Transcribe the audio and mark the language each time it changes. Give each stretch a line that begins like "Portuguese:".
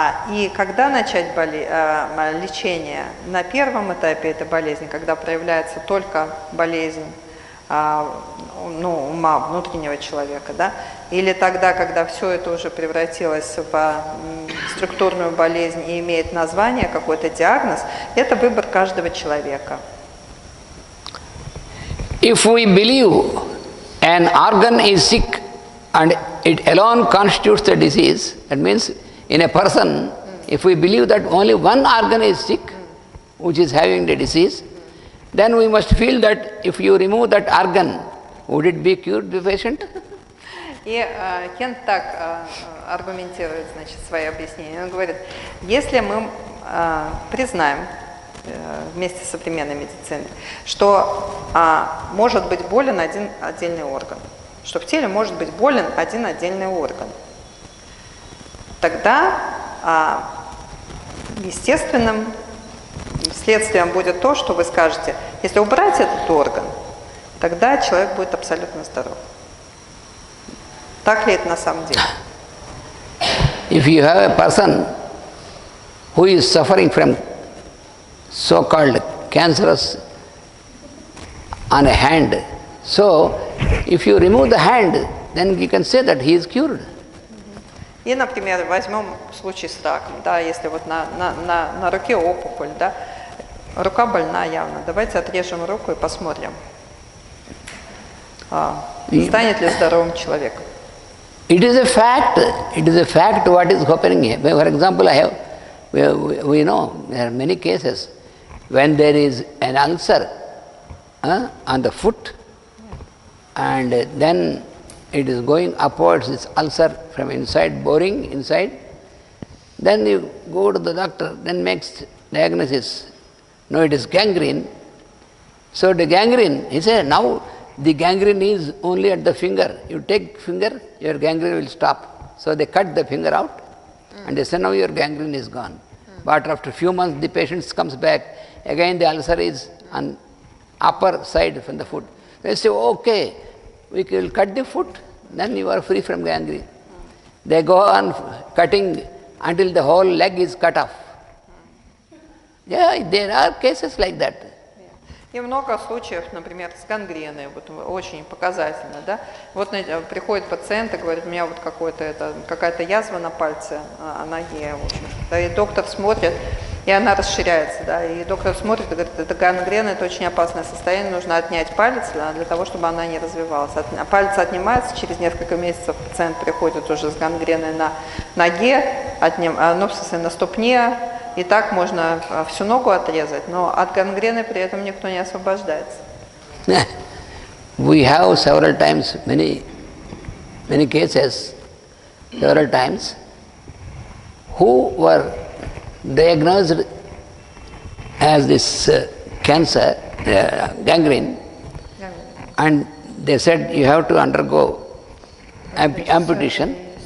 Russian: И когда начать лечение? На первом этапе этой болезни, когда проявляется только болезнь ума внутреннего человека, да? Или тогда, когда все это уже превратилось в структурную болезнь и имеет название, какой-то диагноз, это выбор каждого человека.
English: If we believe an organ is sick and it alone constitutes the disease, that means in a person, if we believe that only one organ is sick, which is having the disease, then we must feel that if you remove that organ, would it be cured, the patient?
Russian: И Кен так аргументирует, значит, свои объяснения. Он говорит, если мы признаем вместе с современной медициной, что может быть болен один отдельный орган, что в теле может быть болен один отдельный орган, тогда естественным следствием будет то, что вы скажете, если убрать этот орган, тогда человек будет абсолютно здоров. Так ли это на самом деле?
English: If you have a person who is suffering from so-called cancerous on a hand, so if you remove the hand, then you can say that he is cured.
Russian: И, например, возьмем случай с раком, да, если вот на руке опухоль, да, рука больна явно. Давайте отрежем руку и посмотрим, станет ли здоровым человек.
English: It is a fact. It is a fact what is happening here. For example, we know there are many cases when there is an ulcer on the foot, and then it is going upwards, this ulcer from inside, boring inside. Then you go to the doctor, then makes diagnosis. No, it is gangrene. So the gangrene, he said, now the gangrene is only at the finger. You take finger, your gangrene will stop. So they cut the finger out, and they say, now your gangrene is gone. But after a few months, the patient comes back. Again, the ulcer is on upper side from the foot. They say, okay, we will cut the foot, then you are free from gangrene. They go on cutting until the whole leg is cut off. Yeah, there are cases like that.
Russian: И много случаев, например, с гангреной, вот очень показательно, да. Вот приходит пациент и говорит, у меня вот какая-то язва на пальце, а ноге, в общем. Да, и доктор смотрит, и она расширяется, да. И доктор смотрит и говорит, это гангрена, это очень опасное состояние, нужно отнять палец, да, для того, чтобы она не развивалась. Палец отнимается, через несколько месяцев пациент приходит уже с гангреной на ноге, на ступне. И так можно всю ногу отрезать, но от гангрены при этом никто не освобождается.
English: We have several times, many cases, several times, who were diagnosed as this cancer, gangrene, and they said you have to undergo amputation.